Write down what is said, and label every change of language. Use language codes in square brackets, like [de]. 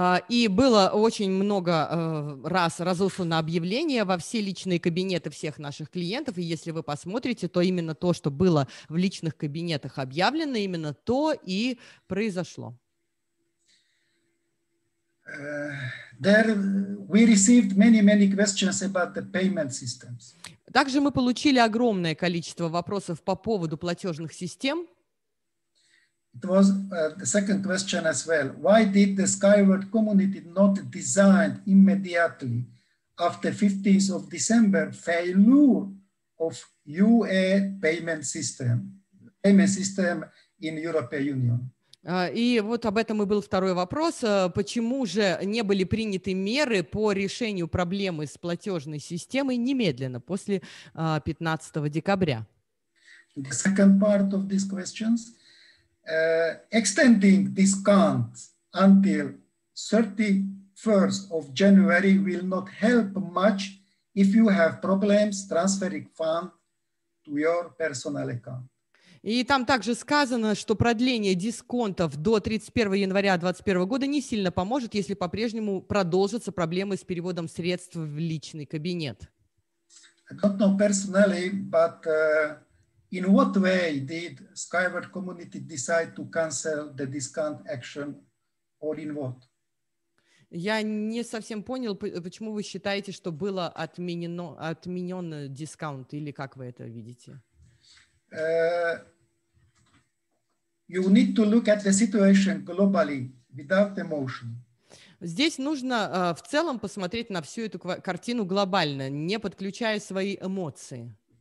[ru] И было очень много раз разослано объявление во все личные кабинеты всех наших клиентов. И если вы посмотрите, то именно то, что было в личных кабинетах объявлено, именно то и произошло. [en] There we received many questions about the payment systems. [ru] Также мы получили огромное количество вопросов по поводу платежных систем. [en] It was the second question as well. Why did the Skyward community not design immediately after 15th of December failure of UA payment system in European Union? [ru] И вот об этом и был второй вопрос. Почему же не были приняты меры по решению проблемы с платежной системой немедленно после 15 декабря? [en] The second part of these questions. Extending discount until 31st of January will not help much if you have problems transferring fund to your personal account. [ru] И там также сказано, что продление дисконтов до 31 января 2021 года не сильно поможет, если по-прежнему продолжатся проблемы с переводом средств в личный кабинет. [en] I don't know personally, but in what way did Skyward Community decide to cancel the discount action, or in what? [ru] Я не совсем понял, почему вы считаете, что было отменен дискаунт, или как вы это видите? [en] You need to look at the situation globally without emotion. [ru] Здесь нужно в целом посмотреть на всю эту картину глобально, не подключая свои эмоции.